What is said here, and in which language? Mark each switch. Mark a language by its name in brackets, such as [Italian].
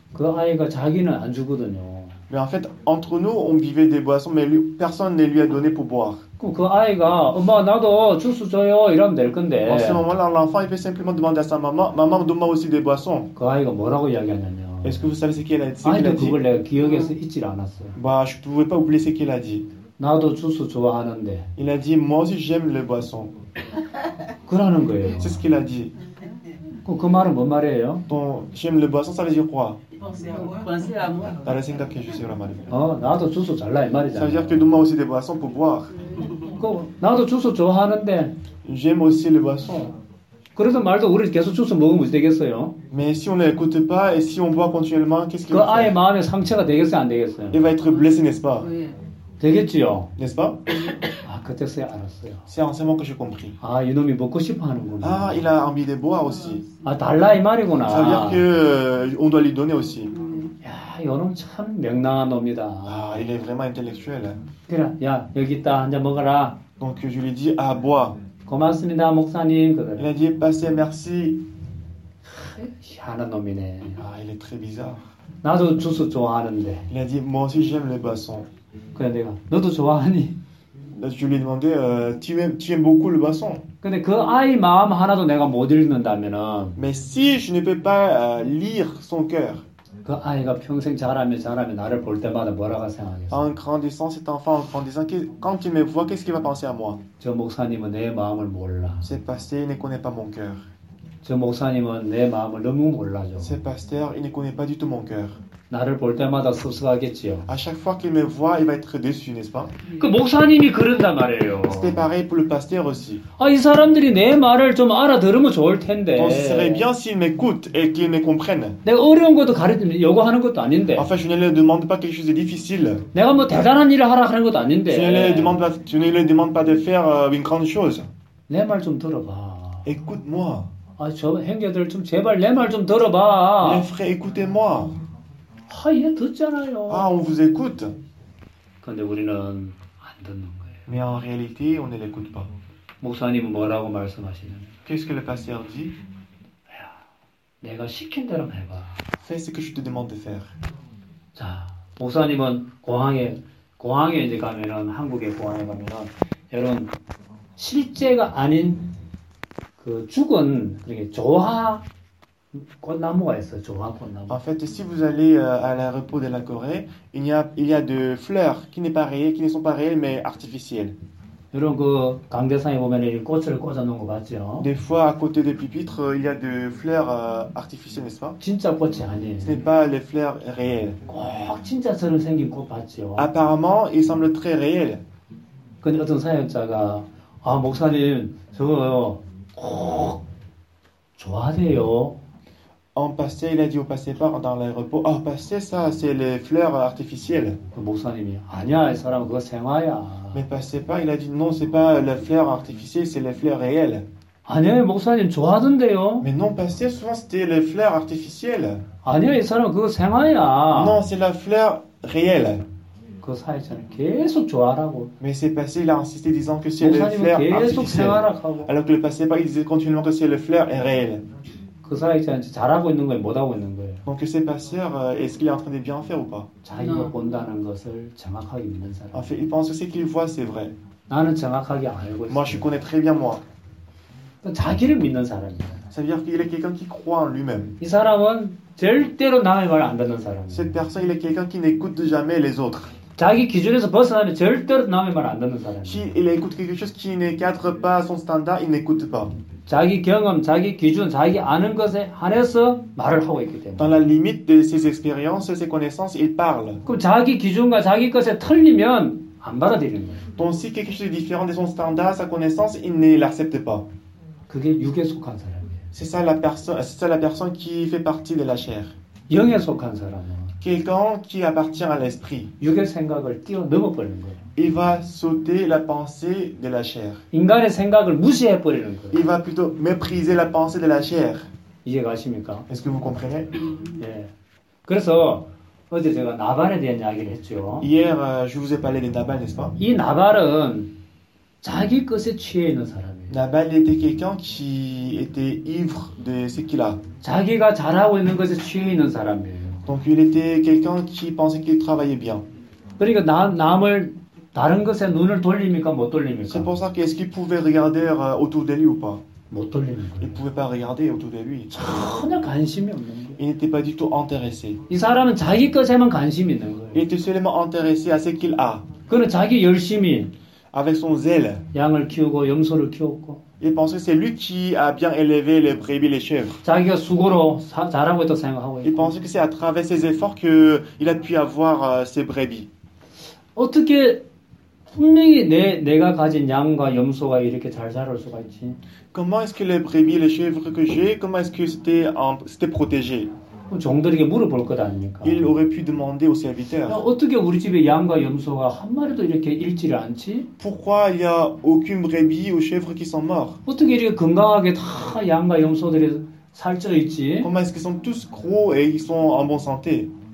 [Korean] 그 아이가 자기는 안 주거든요. [French] Mais en fait, entre nous, on buvait des boissons, mais lui, personne ne lui a donné pour boire. [Korean] 그 아이가 엄마 나도 주스 줘요 이러면 될 건데. [French] En ce moment-là, l'enfant il peut simplement demander à sa maman, maman donne-moi aussi des boissons. [Korean] 그 아이가 뭐라고 이야기하냐면. [French] Est-ce que vous savez ce qu'il a dit? [Korean] 아이도 그걸 내가 기억해서 잊질 않았어요. [French] Bah, je pouvais pas oublier ce qu'il a dit. [Korean] 나도 주스 좋아하는데. [French] Il a dit, moi aussi j'aime les boissons. [Korean] 그러는 거예요. [French] C'est ce qu'il a dit. [Korean] 그 말은 뭔 말이에요? [French] Donc, j'aime les boissons, ça veut dire quoi? Pensez à moi. Pensez à moi. Pensez à moi. [Korean] 어, 나도 주스 잘라 이 말이잖아. [French] Ça veut dire que donne-moi aussi des boissons pour boire. [Korean] 그, 나도 주스 좋아하는데. [French] J'aime aussi les boissons. [Korean] 그래도 말도 우리 계속 주스 먹으면 되겠어요? [French] Mais si on n'écoute pas et si on boit continuellement, qu'est-ce qu'il va faire? [Korean] 그 아이 마음에 상처가 되겠어요, 안 되겠어요? [French] Il va être blessé, n'est-ce pas? [Korean] 되겠지요. [French] N'est-ce pas? [Korean] 아, 그때서야 알았어요. [French] C'est en ce moment que j'ai compris. [Korean] 아, 이놈이 먹고 싶어 하는구나. [French] Ah, il a envie de boire aussi. [Korean] 아, 달라 이 말이구나. [French] Ça veut dire que on doit lui donner aussi. [Korean] 야, 이놈 참 명랑한 놈이다. [French] Ah, il est vraiment intellectuel. [Korean] 그래, 야, 여기 있다. 한잔 먹어라. [French] Donc je lui dis ah, bois. [Korean] 고맙습니다, 목사님. 그래. [French] Il a dit passez, merci. [Korean] 희한한 놈이네. [French] Ah, il est très bizarre. [Korean] 나도 주스 좋아하는데. [French] Il a dit moi aussi j'aime les boissons. [Korean] 그래 내가 너도 좋아하니? [French] Je lui ai demandé, tu aimes beaucoup le boisson. [Korean] 근데 그 아이 마음 하나도 내가 못 읽는다면은. [French] Mais si je ne peux pas lire son cœur. [Korean] 그 아이가 평생 자라면 자라면 나를 볼 때마다 뭐라고 생각하겠어? [French] En grandissant cet enfant, en grandissant, quand il me voit, qu'est-ce qu'il va penser à moi? [Korean] 저 목사님은 내 마음을 몰라. [French] Ce pasteur ne connaît pas mon cœur. [Korean] 저 목사님은 내 마음을 너무 몰라죠. [French] Ce pasteur, il ne connaît pas du tout mon cœur. [Korean] 나를 볼 때마다 섭섭하겠지요. [French] À chaque fois qu'il me voit, il va être déçu, n'est-ce pas? [Korean] 그 목사님이 그런단 말이에요. [French] C'est pareil pour le pasteur aussi. [Korean] 아, 이 사람들이 내 말을 좀 알아들으면 좋을 텐데. [French] Donc, ce serait bien s'ils m'écoutent et qu'ils me comprennent. [Korean] 내가 어려운 것도 가르치면 요구하는 것도 아닌데. [French] Enfin, je ne leur demande pas quelque chose de difficile. [Korean] 내가 뭐 대단한 일을 하라 하는 것도 아닌데. [French] Je ne leur demande pas de faire une grande chose. [Korean] 내 말 좀 들어봐. [French] Écoute-moi. [Korean] 아, 저 형제들 좀 제발 내 말 좀 들어봐. [French] Mes frères, écoutez-moi. [Korean] 아, 얘 듣잖아요. [French] Ah, on vous écoute. [Korean] 근데 우리는 안 듣는 거예요. [French] Mais en réalité, on ne l'écoute pas. [Korean] 목사님은 뭐라고 말씀하시는? [French] Qu'est-ce que le pasteur dit? [Korean] 야, 내가 시킨 대로 해봐. [French] Fais ce que je te demande de faire. [Korean] 자, 목사님은 공항에 이제 가면은 한국의 공항에 가면은 이런 실제가 아닌 그 죽은 그렇게 조화 꽃나무가 있어요. 조화 꽃나무. [French] En fait, si vous allez à l'aéroport de la Corée, il y a de fleurs qui ne sont pas réelles mais artificielles. [Korean] 여러분 그 강대상에 보면은 꽃을 꽂아 놓은 거 맞죠? [French] Des fois à côté des pupitres, il y a de fleurs artificielles, n'est-ce pas? [Korean] 진짜 꽃이 아니에요. [French] Ce n'est pas les fleurs réelles. [Korean] 꼭 진짜처럼 생긴 꽃 봤죠. [French] Apparemment, il semble très réel. [Korean] 근데 어떤 사역자가 아, 목사님, 저거요. 꼭 좋아하세요. [French] En pastèque, il a dit au pastèque dans les repos. Oh, pastèque, ça, c'est les fleurs artificielles. [Korean] 그 목사님이, 아니야, 이 사람, 그거 생화야. [French] Mais pastèque, il a dit non, c'est pas les fleurs artificielles, c'est les fleurs réelles. [Korean] 아니야, 목사님, 좋아하던데요. [French] Mais non, pastèque, souvent, c'était les fleurs artificielles. [Korean] 아니야, 이 사람, 그거 생화야. [French] Non, c'est la fleur réelle. [Korean] 그 사회자는 계속 좋아하라고. [French] Mais c'est passé, il a insisté disant que c'est les fleurs artificielles. Alors que le pastèque, il disait continuellement que c'est les fleurs réelles. [Korean] 그 사회자한테 잘하고 있는 거예요, 못하고 있는 거예요. [French] Donc ce pasteur, est-ce qu'il est en train de bien faire ou pas? [Korean] 자기가 본다는 것을 정확하게 믿는 사람. [French] En fait, il pense que ce qu'il voit, c'est vrai. [Korean] 나는 정확하게 알고 있어. [French] Moi, je connais très bien moi. [Korean] 자기를 믿는 사람입니다. [French] Ça veut dire qu'il est quelqu'un qui croit en lui-même. [Korean] 이 사람은 절대로 남의 말 안 듣는 사람. [French] Cette personne, il est quelqu'un qui n'écoute jamais les autres. [Korean] 자기 기준에서 벗어나면 절대로 남의 말 안 듣는 사람. [French] Si il écoute quelque chose qui ne cadre pas son standard, il n'écoute pas. [Korean] 자기 경험, 자기 기준, 자기 아는 것에 한해서 말을 하고 있기 때문에. [French] Dans la limite de ses expériences, ses connaissances, il parle. [Korean] 그럼 자기 기준과 자기 것에 틀리면 안 받아들이는 거예요. [French] Donc si quelque chose est différent de son standard, sa connaissance, il ne l'accepte pas. [Korean] 그게 육에 속한 사람이에요. [French] C'est ça la personne, qui fait partie de la chair. [Korean] 영에 속한 사람은. [French] Quelqu'un qui appartient à l'esprit. [Korean] 육의 생각을 뛰어넘어버리는 거예요. [French] Il va sauter la pensée de la chair. [Korean] 인간의 생각을 무시해버리는 거예요. [French] Il va plutôt mépriser la pensée de la chair. [Korean] 이해가 가십니까? [French] Est-ce que vous comprenez? [Korean] 예. 그래서 어제 제가 나발에 대한 이야기를 했죠. [French] Hier, je vous ai parlé de Nabal, n'est-ce pas? [Korean] 이 나발은 자기 것에 취해 있는 사람이에요. [French] Nabal était quelqu'un qui était ivre de ce qu'il a. [Korean] 자기가 잘하고 있는 것에 취해 있는 사람이에요. [French] Donc il était quelqu'un qui pensait qu'il travaillait bien. [Korean] 그러니까 남을 다른 것에 눈을 돌립니까 못 돌립니까? [French] C'est pour ça qu'est-ce qu'il pouvait regarder autour de lui ou pas? [Korean] 못 돌립니까? [French] Il pouvait pas regarder autour de lui. [Korean] 전혀 관심이 없는 거예요. [French] Il n'était pas du tout intéressé. [Korean] 이 사람은 자기 것에만 관심이 있는 거예요. [French] Il était seulement intéressé à ce qu'il a. [Korean] 그는 자기 열심히 [French] avec son zèle [Korean] 양을 키우고 염소를 키웠고 [French] Il pensait que c'est lui qui a bien élevé les brebis, les chèvres. [Korean] 자기가 수고로 잘하고 있다고 생각하고 [French] Il pensait que c'est à travers ses efforts qu'il a pu avoir ses brebis. [Korean] 어떻게 분명히 내가 가진 양과 염소가 이렇게 잘 자랄 수가 있지? [French] Comment est-ce que les brebis, les chèvres que j'ai, comment est-ce que c'était protégé? [Korean] 종들에게 물어볼 것 아닙니까? [French] Il aurait pu demander aux serviteurs. [Korean] 어떻게 우리 집에 양과 염소가 한 마리도 이렇게 잃지를 않지? [French] Pourquoi il y a aucune brebis ou chèvre qui sont morts? [Korean] 어떻게 이렇게 건강하게 다 양과 염소들이 살쪄 있지? [French] Comment est-ce qu'ils sont tous gros et ils sont en bonne santé?